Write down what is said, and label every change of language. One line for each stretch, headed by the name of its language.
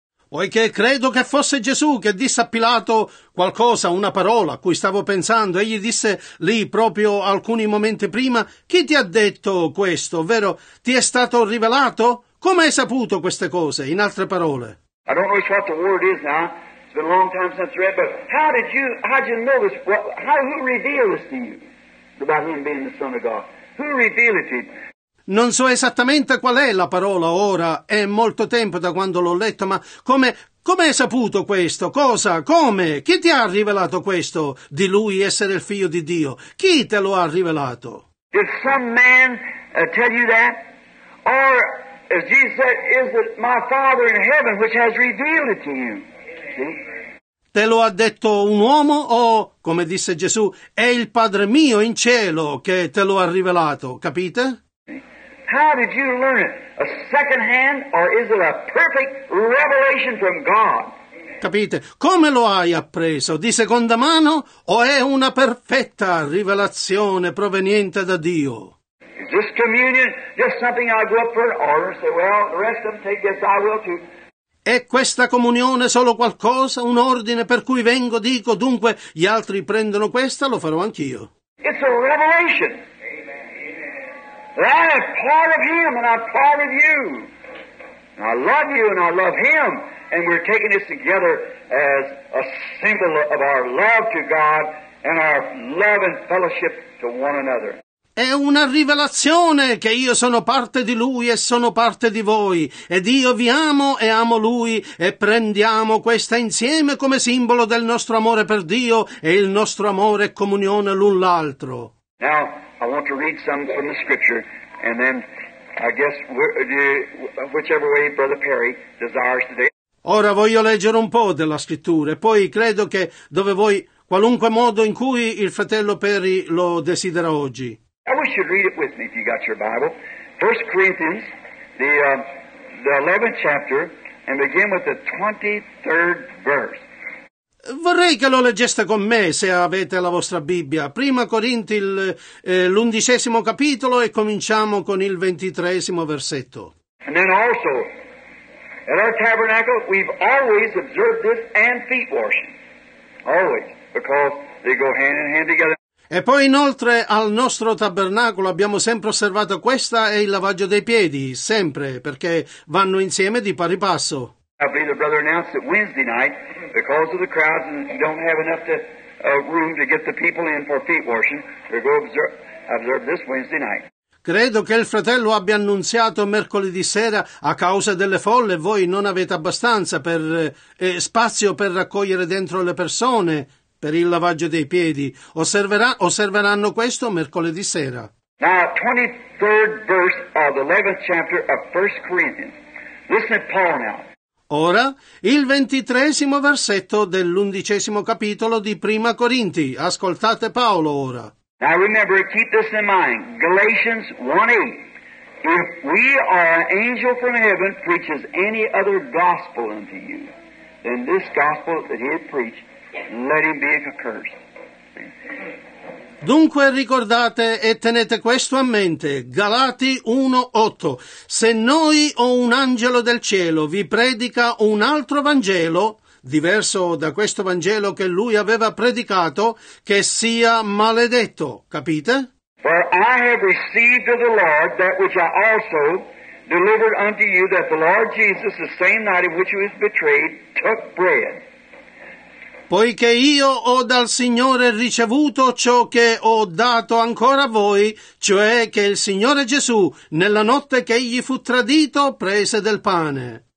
Italian: poiché credo che fosse Gesù che disse a Pilato qualcosa, una parola a cui stavo pensando, egli disse lì proprio alcuni momenti prima, chi ti ha detto questo, ovvero ti è stato rivelato? Come hai saputo queste cose, in altre parole?
English: I don't know what the word is now. It's been a long time since I read, but how did you know this? Who revealed this to you about him being the Son of God? Who revealed it to you?
Italian: Non so esattamente qual è la parola ora, è molto tempo da quando l'ho letto, ma come hai saputo questo? Cosa? Come? Chi ti ha rivelato questo di lui essere il figlio di Dio? Chi te lo ha rivelato?
English: Did some man tell you that? Or, as Jesus said, is it my Father in heaven which has revealed it to you?
Italian: Te lo ha detto un uomo o, come disse Gesù, è il Padre mio in cielo che te lo ha rivelato, capite?
English: How did you learn it? A second hand, or is it a perfect revelation from God?
Italian: Capite? Come lo hai appreso? Di seconda mano o è una perfetta rivelazione proveniente da Dio?
English: Is this communion just something I go up for or say, well, the rest of them take this, I will too.
Italian: È questa comunione solo qualcosa, un ordine per cui vengo, dico, dunque gli altri prendono questa, lo farò anch'io.
English: It's a revelation. Amen. I am part of him and I'm part of you. And I love you and I love him. And we're taking this together as a symbol of our love to God and our love and fellowship to one another.
Italian: È una rivelazione che io sono parte di Lui e sono parte di voi, ed io vi amo e amo Lui, e prendiamo questa insieme come simbolo del nostro amore per Dio e il nostro amore e comunione l'un l'altro.
English: Now, I want to read some from the scripture, and then I guess whichever way Brother Perry desires to do.
Italian: Ora voglio leggere un po' della scrittura, e poi credo che dove voi, qualunque modo in cui il fratello Perry lo desidera oggi.
English: I wish you'd read it with me if you got your Bible. 1 Corinthians, the 11th chapter, and begin with the 23rd verse.
Italian: Vorrei che lo leggeste con me, se avete la vostra Bibbia. 1 Corinti, l'undicesimo capitolo, e cominciamo con il 23° versetto.
English: And then also, at our tabernacle, we've always observed this and feet washing. Always, because they go hand in hand together.
Italian: E poi inoltre al nostro tabernacolo abbiamo sempre osservato questa e il lavaggio dei piedi, sempre, perché vanno insieme di pari passo.
English: I believe the brother announced that Wednesday night, because of the crowds and you don't have enough to, room to get the people in for feet washing, we'll go observe this Wednesday night.
Italian: Credo che il fratello abbia annunziato mercoledì sera, a causa delle folle voi non avete abbastanza per spazio per raccogliere dentro le persone. Per il lavaggio dei piedi osserveranno questo mercoledì sera.
English: Now, 23rd verse of the 11th chapter of 1 Corinthians. Listen to Paul now.
Italian: Ora il 23° versetto dell'undicesimo capitolo di Prima Corinti. Ascoltate Paolo ora.
English: Now remember, keep this in mind. Galatians 1:8. If we or an angel from heaven preaches any other gospel unto you, then this gospel that he preached, let him be accursed.
Italian: Dunque ricordate e tenete questo a mente, Galati 1:8. Se noi o un angelo del cielo vi predica un altro Vangelo, diverso da questo Vangelo che lui aveva predicato, che sia maledetto. Capite?
English: For I have received of the Lord that which I also delivered unto you, that the Lord Jesus, the same night in which he was betrayed, took bread.
Italian: Poiché io ho dal Signore ricevuto ciò che ho dato ancora a voi, cioè che il Signore Gesù, nella notte che egli fu tradito, prese del pane.